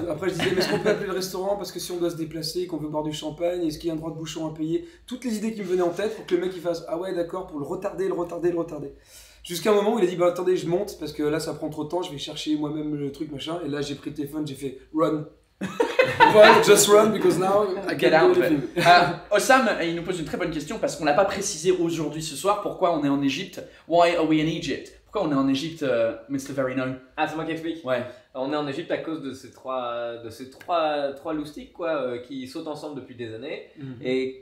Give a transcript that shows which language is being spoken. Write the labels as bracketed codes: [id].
[fr] Après je disais, mais est-ce qu'on peut appeler le restaurant parce que si on doit se déplacer, qu'on veut boire du champagne, est-ce qu'il y a un droit de bouchon à payer? Toutes les idées qui me venaient en tête pour que le mec il fasse, ah ouais d'accord, pour le retarder. Jusqu'à un moment où il a dit, bah attendez je monte parce que là ça prend trop de temps, je vais chercher moi-même le truc machin. Et là j'ai pris le téléphone, j'ai fait run. [en] Well, just run because now I get out of it. [fr] Osam, il nous pose une très bonne question parce qu'on l'a pas précisé aujourd'hui ce soir. Pourquoi on est en Égypte? [en] Why are we in Egypt? [fr] Pourquoi on est en Égypte, Mr. Verino? Ah, c'est moi qui explique. Ouais. On est en Égypte à cause de ces trois loustiques quoi, qui sautent ensemble depuis des années. Mmh. Et